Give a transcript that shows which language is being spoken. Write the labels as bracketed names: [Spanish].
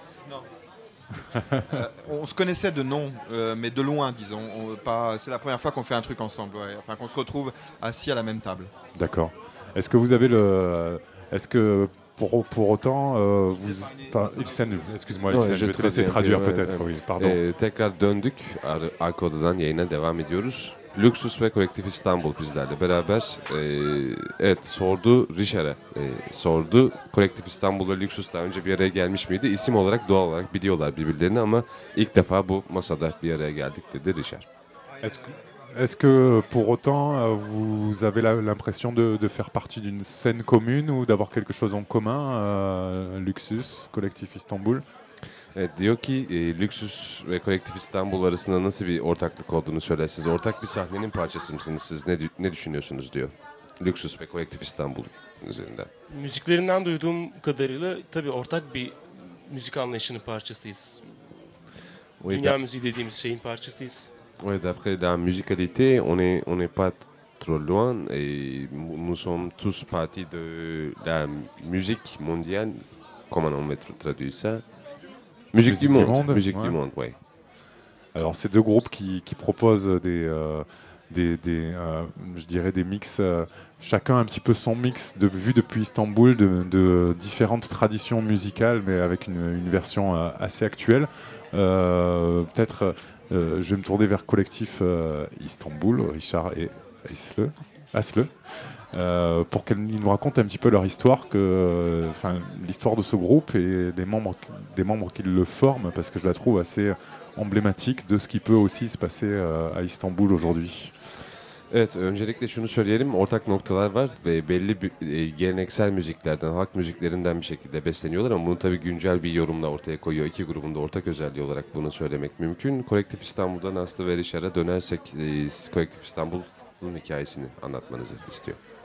[French] Non. on se connaissait de nom, mais de loin, disons. C'est la première fois qu'on fait un truc ensemble, ouais. Enfin, qu'on se retrouve assis à la même table. D'accord. Est-ce que vous avez le... Est-ce que... Pour autant, vous, Ilsen, excuse-moi, Ilsen, je vais te laisser traduire peut-être, oui, pardon. [Turkish] Tekrar döndük, akordadan yayına devam ediyoruz. Luxus ve Kolektif İstanbul bizlerle beraber, evet sordu Richard'a, sordu Kolektif İstanbul'la Luxus daha önce bir araya gelmiş miydi? İsim olarak, doğal olarak biliyorlar birbirlerini ama ilk defa bu masada bir araya geldik dedi Richard. [French] Est-ce que pour autant vous avez l'impression de faire partie d'une scène commune ou d'avoir quelque chose en commun, Luxus, Collectif Istanbul? [Turkish] Evet, diyor ki Luxus ve Collectif Istanbul arasında nasıl bir ortaklık olduğunu söylersiniz. Ortak bir sahnenin parçası mısınız siz? Ne düşünüyorsunuz diyor. Luxus ve Collectif Istanbul üzerinden. Müziklerinden duyduğum kadarıyla tabii ortak bir müzik anlayışının parçasıyız. Dünya müziği dediğimiz şeyin parçasıyız. [French] Oui, d'après la musicalité, on est pas trop loin et nous sommes tous partis de la musique mondiale. Comment on met traduit ça? Musique du monde. Musique du monde, ouais. Alors, ces deux groupes qui proposent je dirais des mix, chacun un petit peu son mix de vue depuis Istanbul, de différentes traditions musicales, mais avec une version assez actuelle. Peut-être, je vais me tourner vers collectif Istanbul, Richard et Asle. Pour qu'ils nous racontent un petit peu leur histoire, l'histoire de ce groupe et des membres qui le forment, parce que je la trouve assez emblématique de ce qui peut aussi se passer à Istanbul aujourd'hui. [Turkish] Evet, öncelikle şunu söyleyelim, ortak noktalar var ve belli bir geleneksel müziklerden, halk müziklerinden bir şekilde besleniyorlar ama bunu tabii güncel bir yorumla ortaya koyuyor. İki grubun da ortak özelliği olarak bunu söylemek mümkün. Kolektif İstanbul'dan Aslı ve Rişar'a dönersek Kolektif İstanbul'un hikayesini anlatmanızı istiyor.